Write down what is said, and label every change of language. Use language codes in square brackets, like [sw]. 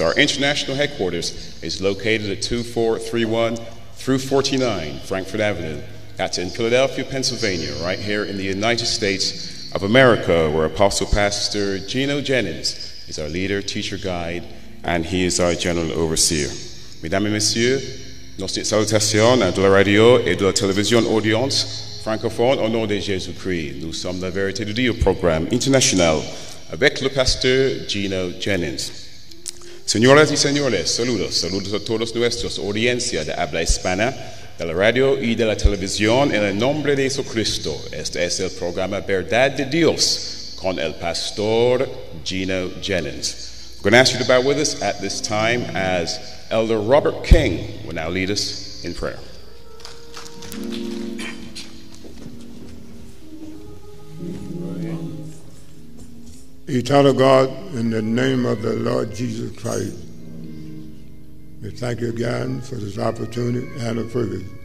[en] Our international headquarters is located at 2431 through 49 Frankfurt Avenue. That's in Philadelphia, Pennsylvania, right here in the United States of America, where Apostle Pastor Gino Jennings is our leader, teacher, guide, and he is our general overseer. [fr] Mesdames et messieurs, nos salutations à la radio et de la télévision audience francophone au nom de Jésus-Christ. Nous sommes la vérité de Dieu programme international avec le pasteur Gino Jennings. [es] Señoras y señores, saludos. Saludos a todos nuestros audiencias de habla hispana, de la radio y de la televisión en el nombre de Jesucristo. Este es el programa Verdad de Dios con el pastor Gino Jennings. [en] I'm going to ask you to bow with us at this time as Elder Robert King will now lead us in prayer. Eternal God, in the name of the Lord Jesus Christ, we thank you again for this opportunity and the privilege.